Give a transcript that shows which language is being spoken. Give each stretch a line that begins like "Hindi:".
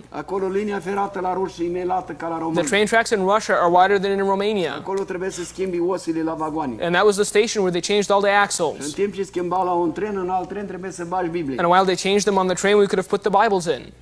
Romanian: Acolo linia ferată la Rusia e mai lată ca la România.
English: The train tracks in Russia are wider than in Romania.
Romanian: Acolo trebuie să schimbi osile la vagoane.
English: And that was the station where they changed all the axles.
Romanian: În timp ce schimbau la un tren, în alt tren, trebuie să bagi Biblia.
English: And while they changed them on the train, we could have put the Bibles in.